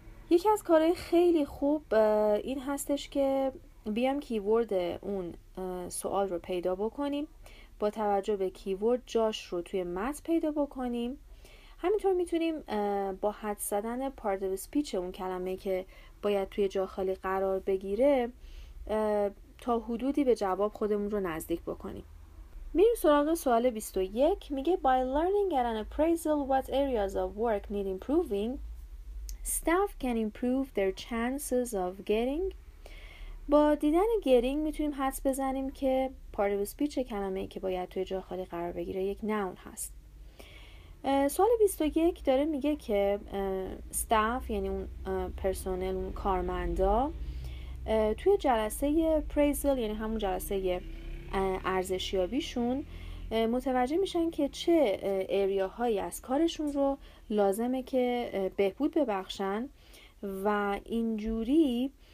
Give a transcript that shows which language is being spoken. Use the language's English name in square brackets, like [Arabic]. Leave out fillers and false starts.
[Persian] یکی از کارهای خیلی خوب این هستش که بیام کیورد اون سوال رو پیدا بکنیم، با توجه به کیورد جاش رو توی متن پیدا بکنیم. همینطور میتونیم با حد زدن part of speech اون کلمه که باید توی جا خالی قرار بگیره تا حدودی به جواب خودمون رو نزدیک بکنیم. میریم سراغ سوال 21. [English] میگه By learning at an appraisal what areas of work need improving, staff can improve their chances of getting. [Persian] با دیدن getting میتونیم حدس بزنیم که part of speech کلمه ای که باید توی جا خالی قرار بگیره یک noun هست. سوال 21 داره میگه که staff یعنی اون پرسونل، اون کارمندا، توی جلسه appraisal یعنی همون جلسه ارزشیابیشون متوجه میشن که چه ایریاهایی از کارشون رو لازمه که بهبود ببخشن و اینجوری